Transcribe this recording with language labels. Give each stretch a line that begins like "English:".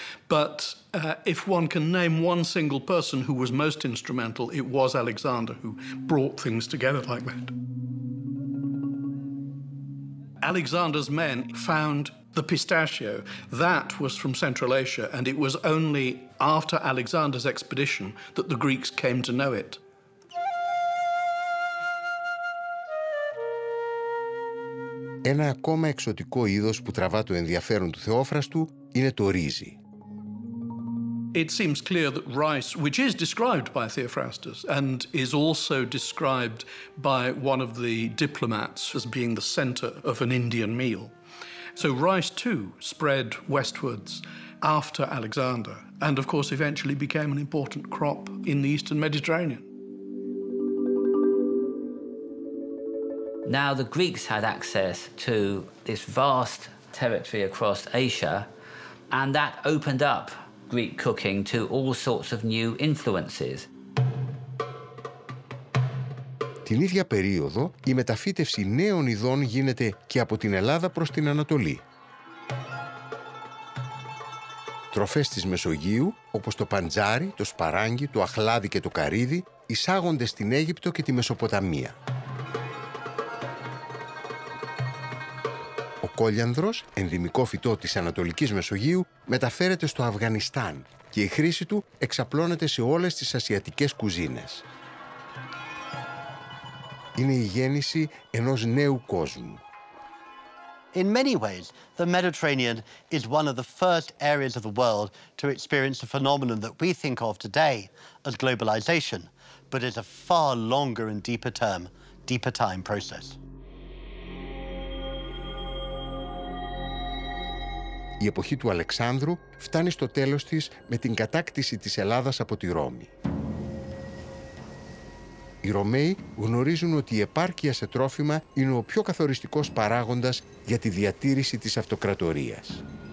English: But if one can name one single person who was most instrumental, it was Alexander who brought things together like that. Alexander's men found the pistachio. That was from Central Asia, and it was only after Alexander's expedition that the Greeks came to know it.
Greek: Ένα ακόμα εξωτικό είδος που τραβά το ενδιαφέρον του Θεόφραστου είναι το ρύζι.
English: It seems clear that rice, which is described by Theophrastus and is also described by one of the diplomats as being the center of an Indian meal. So rice too spread westwards after Alexander and of course eventually became an important crop in the Eastern Mediterranean. Now the Greeks had access to this vast territory across Asia and that opened up Greek cooking to all sorts of new influences.
Greek: Την ίδια περίοδο, η μεταφύτευση νέων ειδών γίνεται και από την Ελλάδα προς την Ανατολή. Τροφές της Μεσογείου, όπως το παντζάρι, το σπαράγγι, το αχλάδι και το καρύδι, εισάγονται στην Αίγυπτο και τη Μεσοποταμία. Κόλιανδρος, ενδυμικό φυτό της Ανατολικής Μεσογείου, μεταφέρεται στο Αφγανιστάν και η χρήση του εξαπλώνεται σε όλες τις ασιατικές κουζίνες. Είναι η γέννηση ενός νέου κόσμου.
English: In many ways, the Mediterranean is one of the first areas of the world to experience a phenomenon that we think of today as globalization, but it's a far longer and deeper term, deeper time process.
Greek: Η εποχή του Αλεξάνδρου φτάνει στο τέλος της με την κατάκτηση της Ελλάδας από τη Ρώμη. Οι Ρωμαίοι γνωρίζουν ότι η επάρκεια σε τρόφιμα είναι ο πιο καθοριστικός παράγοντας για τη διατήρηση της αυτοκρατορίας.